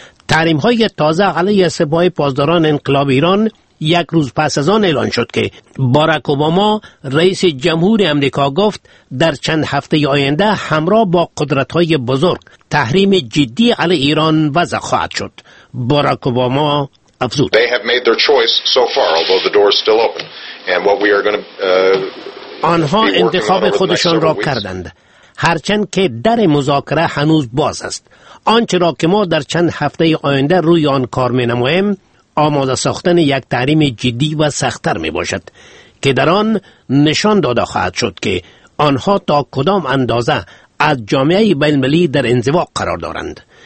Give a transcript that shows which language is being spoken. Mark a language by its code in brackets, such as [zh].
[fa] تحریم های تازه علیه سپاه پاسداران انقلاب ایران یک روز پس از آن اعلان شد که باراک اوباما رئیس جمهور امریکا گفت در چند هفته آینده همراه با قدرت های بزرگ تحریم جدی علیه ایران وضع خواهد شد. باراک اوباما افزود [en] They have made their choice so far, although the door is still open. And what we are going to [fa] آنها انتخاب خودشان را کردند، هرچند که در مذاکره هنوز باز است. آنچه را که ما در چند هفته آینده روی آن کار می نماییم آماده ساختن یک تحریم جدی و سخت‌تر می باشد که در آن نشان داده خواهد شد که آنها تا کدام اندازه از جامعه بین‌المللی در انزوا قرار دارند.